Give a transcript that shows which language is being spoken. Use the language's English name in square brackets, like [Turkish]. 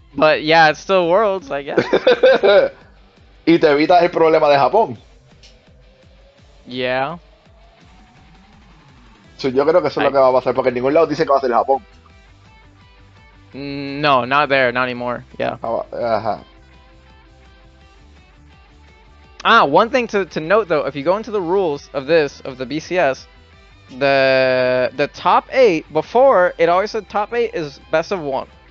[English] but yeah, it's still Worlds, I guess. [Spanish] Y te evitas el problema de Japón. [English] Yeah. [Spanish] So, yo creo que eso es lo que va a pasar, porque en ningún lado dice que va a ser Japón. [English] No, not there, not anymore, yeah. Ajá. Ah, one thing to note though, if you go into the rules of this, of the BCS, the top 8, before, it always said top 8 is best of 1.